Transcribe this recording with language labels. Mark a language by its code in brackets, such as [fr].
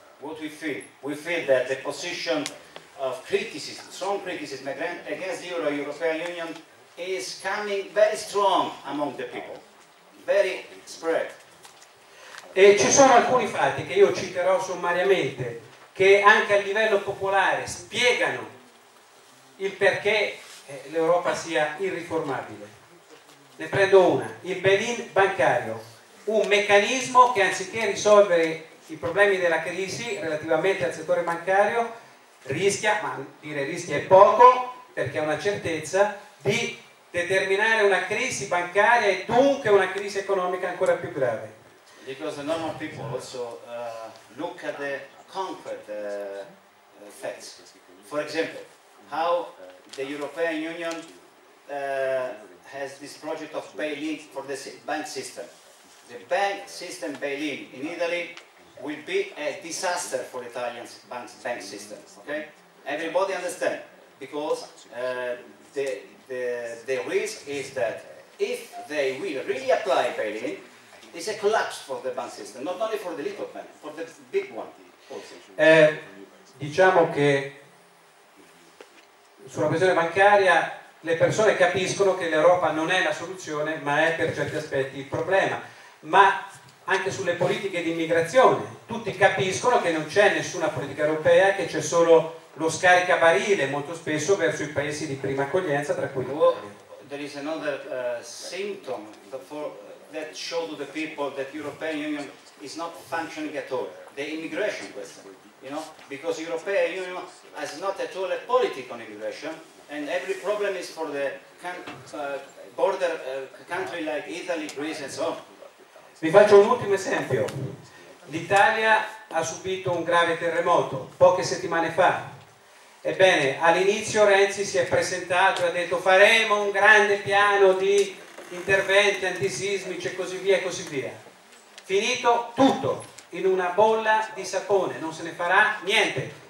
[en] What we feel? We feel that the position of criticism, strong criticism against the Euro, European Union is coming very strong among the people, very spread. [it] E ci sono alcuni fatti che io citerò sommariamente che anche a livello popolare spiegano il perché l'Europa sia irriformabile. Ne prendo una: il bail-in bancario, un meccanismo che anziché risolvere i problemi della crisi relativamente al settore bancario rischia, ma dire rischia è poco perché è una certezza, di determinare una crisi bancaria e dunque una crisi economica ancora più grave. [en] Because the normal people also look at the concrete facts. For example, how the European Union has this project of bail-in for the bank system. The bank system bail-in in Italy will be a disaster for Italian bank system. Okay? Everybody understand? Because the risk is that if they will really apply bail-in, it's a collapse for the bank system, not only for the little bank, for the big one also. [it] Diciamo che sulla questione bancaria le persone capiscono che l'Europa non è la soluzione ma è per certi aspetti il problema, ma anche sulle politiche di immigrazione tutti capiscono che non c'è nessuna politica europea, che c'è solo lo scaricabarile molto spesso verso i paesi di prima accoglienza, tra cui l'Italia. [en] There is another symptom that show to the people that European Union is not functioning at all, the immigration question. You know, because European Union has not at all a political on immigration, and every problem is for the border country like Italy, Greece and so on. [it] Vi faccio un ultimo esempio. L'Italia ha subito un grave terremoto poche settimane fa. Ebbene, all'inizio Renzi si è presentato e ha detto faremo un grande piano di interventi antisismici e così via e così via. Finito tutto in una bolla di sapone, non se ne farà niente.